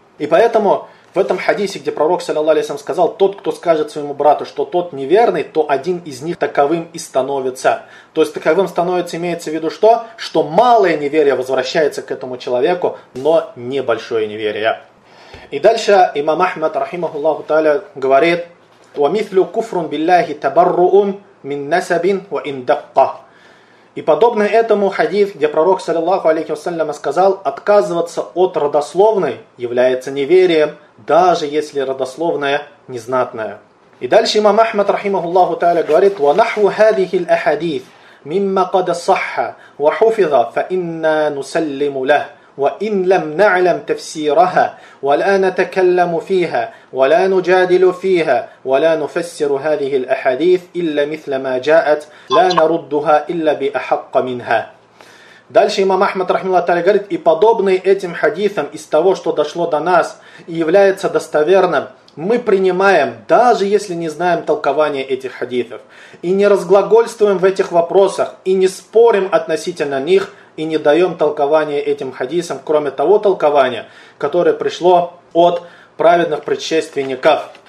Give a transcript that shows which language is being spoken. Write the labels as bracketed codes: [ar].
[ru] И поэтому в этом хадисе, где пророк, саллиллаху алейхи вассалям, сказал, тот, кто скажет своему брату, что тот неверный, то один из них таковым и становится. То есть таковым становится, имеется в виду что? Что малое неверие возвращается к этому человеку, но небольшое неверие. [ar] И дальше имам Ахмад, рахимахуллаху тааля, говорит: وَمِثْلُ كُفْرٌ بِاللَّهِ تَبَرُّؤٌ مِنْ نَسَبٍ وَإِنْ دَقَّ. [ru] И подобно этому хадиф, где пророк, саллиллаху алейхи вассалям, сказал, отказываться от родословной является неверием, даже если родословная незнатная. [ar] И дальше имам Ахмад, рахимахуллаху тааля, говорит: وَنَحْوُ هَذِهِ الْأَحَدِيثِ مِمَّا قَدَ صَحَّ وَحُفِظَ فَإِنَّا نُسَلِّمُ لَهُ وَإِنْ لَمْ نَعْلَمْ تَفْسِيرَهَا وَلَا نَتَكَلَّمُ فِيهَا وَلَا نُجَادِلُ فِيهَا وَلَا نُفَسِّرُ هَذِهِ الْأَحَدِيثِ إِلَّا مِثْلَ مَا جَاءَتْ لَا نَرُدُّهَا إِلَّا بِأَحَقَّ مِنْهَا. [ru] Дальше имам Ахмад, рахмаллаху тааля, говорит, и подобные этим хадисам из того, что дошло до нас и является достоверным, мы принимаем, даже если не знаем толкования этих хадисов, и не разглагольствуем в этих вопросах, и не спорим относительно них, и не даем толкования этим хадисам, кроме того толкования, которое пришло от праведных предшественников.